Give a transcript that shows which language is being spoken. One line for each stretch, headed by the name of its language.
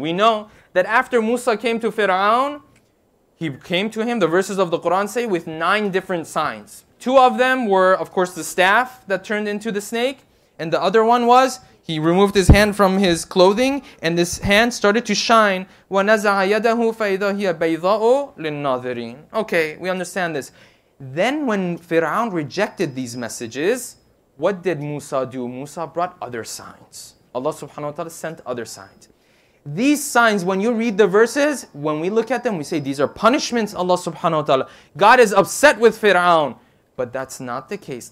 English: We know that after Musa came to Fir'aun, He came to him, the verses of the Quran say, with 9 different signs. 2 of them were, of course, the staff that turned into the snake. And the other one was, he removed his hand from his clothing, and this hand started to shine.
Arabic: وَنَزَعَ يَدَهُ فَإِذَا هِيَ بَيْضَاءُ لِلنَّاظِرِينَ
English: Okay, we understand this. Then when Fir'aun rejected these messages, what did Musa do? Musa brought other signs. Allah subhanahu wa ta'ala sent other signs. These signs, when you read the verses, when we look at them, we say these are punishments, Allah subhanahu wa ta'ala. God is upset with Fir'aun. But that's not the case.